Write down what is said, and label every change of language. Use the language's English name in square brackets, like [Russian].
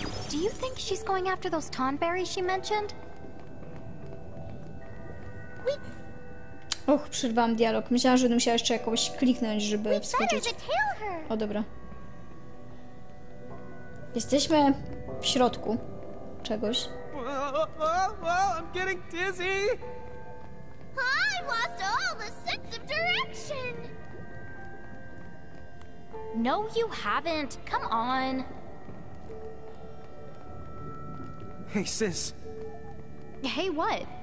[English] Do you think she's going after those tonberries she mentioned? [Polish] Och, przerwałam dialog. Myślałam, że będę musiała jeszcze jakoś kliknąć, żeby wskoczyć. O, dobra. Jesteśmy w środku czegoś. [English] I'm getting dizzy. I lost all the sense of direction. No, you haven't. Come on. Hey, sis. Hey, what?